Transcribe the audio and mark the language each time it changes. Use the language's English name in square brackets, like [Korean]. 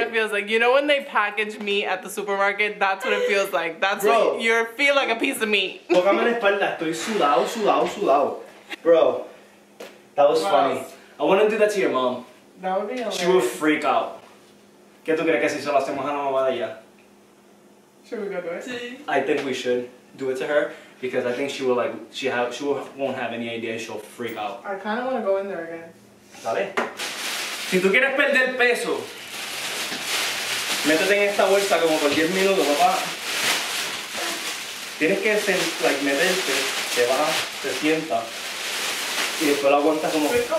[English] Meat at the supermarket, that's what it feels like. That's bro, what you feel like a piece of meat. [Spanish] Tócame la espalda, estoy sudado, sudado, sudado. [English] Bro, that was funny. I want to do that to your mom. That would be hilarious. She would freak out. [Spanish] ¿Qué tú crees que si se lo hacemos a la mamá de ella? [English] Should we go do it? [Spanish] Sí. [English] I think we should do it to her because I think she will like, she won't have any idea, she'll freak out. I kind of want to go in there again. [Spanish] Dale. Si tú quieres perder peso, métete en esta bolsa como por 10 minutos, papá. Tienes que like, meterte, te vas, te sientas. Y después lo aguantas como...